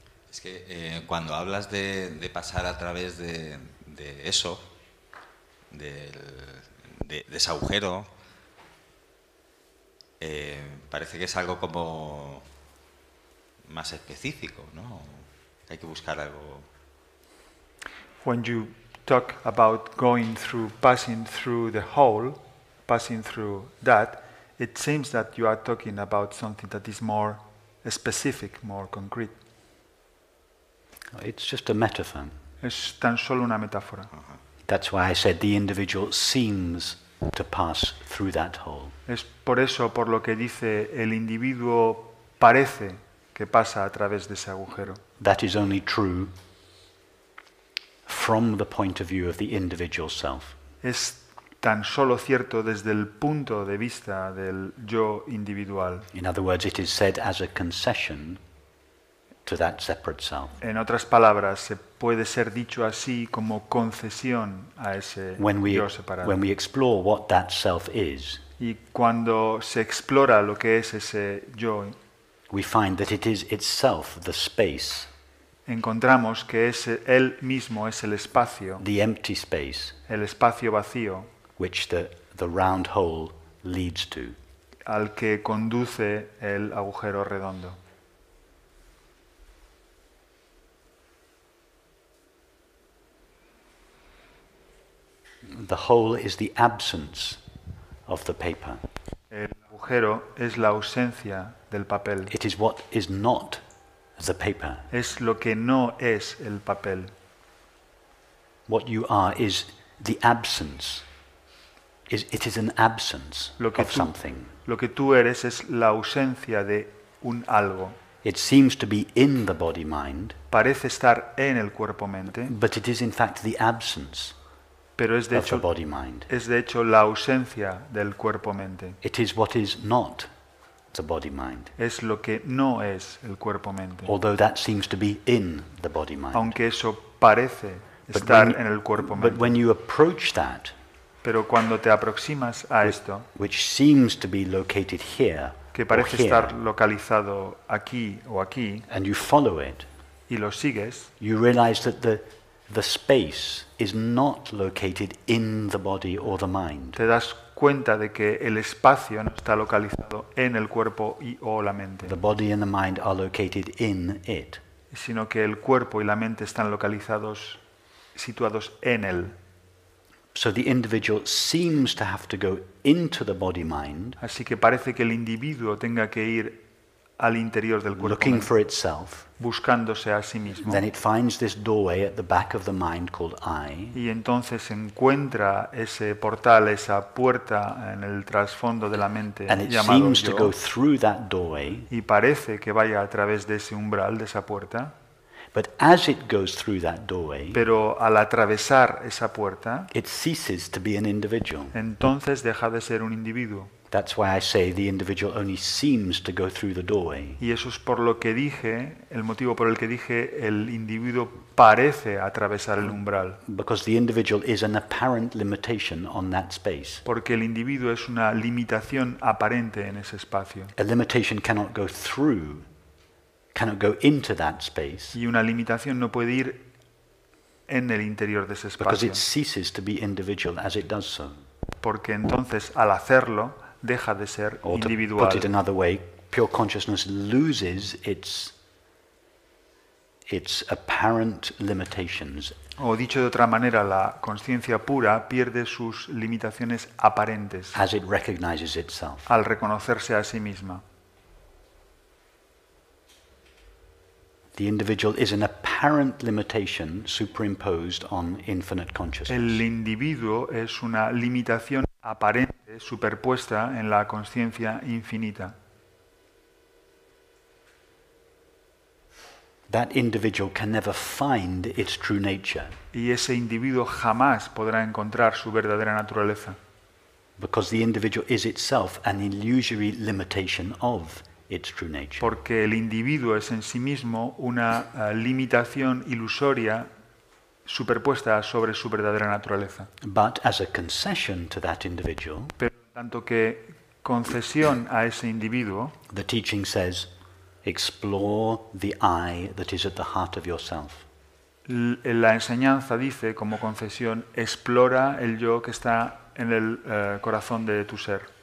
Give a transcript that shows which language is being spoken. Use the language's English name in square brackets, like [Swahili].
[Spanish] Es que cuando hablas de pasar a través de eso, de ese agujero, parece que es algo como más específico, ¿no? Hay que buscar algo. [English] When you talk about going through, passing through the hole, passing through that, it seems that you are talking about something that is more specific, more concrete. It's just a metaphor. [Spanish] Es tan solo una metáfora. Uh-huh. [English] That's why I said the individual seems to pass through that hole. [Spanish] Es por eso por lo que dice el individuo parece que pasa a través de ese agujero. [English] That is only true from the point of view of the individual self. [Spanish] Es tan solo cierto desde el punto de vista del yo individual. [English] In other words, it is said as a concession to that separate self. [Spanish] En otras palabras, se puede ser dicho así como concesión a ese yo separado. [English] When we explore what that self is, [Spanish] y cuando se explora lo que es ese yo, [English] we find that it is itself the space. [Spanish] Encontramos que es él mismo es el espacio. [English] The empty space. [Spanish] El espacio vacío. [English] Which the round hole leads to. [Spanish] Al que conduce el agujero redondo. [English] The hole is the absence of the paper. [Spanish] El agujero es la ausencia del papel. [English] It is what is not the paper. [Spanish] Es lo que no es el papel. [English] What you are is the absence. It is an absence of something. [Spanish] Lo que tú eres es la ausencia de un algo. [English] It seems to be in the body mind. [Spanish] Parece estar en el cuerpo mente. [English] But it is in fact the absence. [Spanish] Pero es de hecho, la ausencia del cuerpo-mente. [English] It is what is not the body-mind. [Spanish] Es lo que no es el cuerpo-mente. [English] Although that seems to be in the body-mind. [Spanish] Aunque eso parece estar en el cuerpo-mente. [English] But when you approach that, [Spanish] pero cuando te aproximas a esto, [English] which seems to be located here, [Spanish] que parece [English] or here, [Spanish] estar localizado aquí o aquí, [English] and you follow it, [Spanish] y lo sigues, [English] you realize that the space is not located in the body or the mind. [Spanish] Te das cuenta de que el espacio no está localizado en el cuerpo y o la mente. [English] The body and the mind are located in it. [Spanish] Sino que el cuerpo y la mente están localizados, situados en él. [English] So the individual seems to have to go into the body-mind. [Spanish] Así que parece que el individuo tenga que ir al interior del cuerpo. [English] Looking for itself. [Spanish] Buscándose a sí mismo. [English] Then it finds this doorway at the back of the mind called I. [Spanish] Y entonces encuentra ese portal, esa puerta en el trasfondo de la mente llamado yo. [English] And it seems to go through that doorway. [Spanish] Y parece que vaya a través de ese umbral, de esa puerta. [English] But as it goes through that doorway, [Spanish] pero al atravesar esa puerta, [English] it ceases to be an individual. [Spanish] Entonces deja de ser un individuo. [English] That's why I say the individual only seems to go through the doorway. [Spanish] Y eso es por lo que dije, el motivo por el que dije el individuo parece atravesar el umbral. [English] Because the individual is an apparent limitation on that space. [Spanish] Porque el individuo es una limitación aparente en ese espacio. [English] A limitation cannot go through, cannot go into that space. [Spanish] Y una limitación no puede ir en el interior de ese espacio. [English] Because it ceases to be individual as it does so. [Spanish] Porque entonces al hacerlo deja de ser individual. [English] Or to put it another way, pure consciousness loses its apparent limitations. [Spanish] O dicho de otra manera, la conciencia pura pierde sus limitaciones aparentes. [English] As it recognizes itself. [Spanish] Al reconocerse a sí misma. [English] The individual is an apparent limitation superimposed on infinite consciousness. [Spanish] El individuo es una limitación aparente superpuesta en la conciencia infinita. [English] That individual can never find its true nature. [Spanish] Y ese individuo jamás podrá encontrar su verdadera naturaleza. [English] Because the individual is itself an illusory limitation of its true nature. [Spanish] Porque el individuo es en sí mismo una limitación ilusoria superpuesta sobre su verdadera naturaleza. [English] But as a concession to that individual, [Spanish] pero tanto que concesión a ese individuo, [English] the teaching says, explore the I that is at the heart of yourself. [Spanish] La enseñanza dice, como concesión, explora el yo que está en el corazón de tu ser.